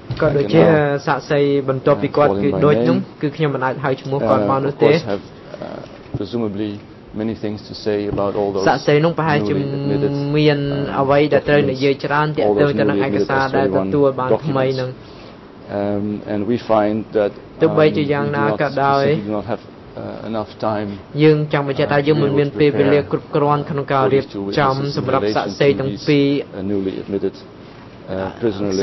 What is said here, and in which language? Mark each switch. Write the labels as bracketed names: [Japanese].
[Khmer] ក៏ដូចជាសាស្ត្រីបន្ទាប់ពីគាត់គឺដូចនោះគឺខ្ញុំមិនអាចហៅឈ្មោះគាត់បាននោះទេ [English] presumably many things to say about all those [Khmer] សាស្ត្រីនឹងប្រហែលជាមានអ្វីដែលត្រូវនិយាយច្រើនទាក់ទងទៅនឹងឯកសារដែលទទួលបានថ្មីនឹង [English] and we find that [Khmer] ទោះបីជាយ៉ាងណាក៏ដោយ [English] enough time [Khmer] យើងចង់បញ្ជាក់ថាយើងមិនមានពេលវេលាគ្រប់គ្រាន់ក្នុងការរៀបចំសម្រាប់សាក់សេទាំងពីរ [English] newly admitted prisoner list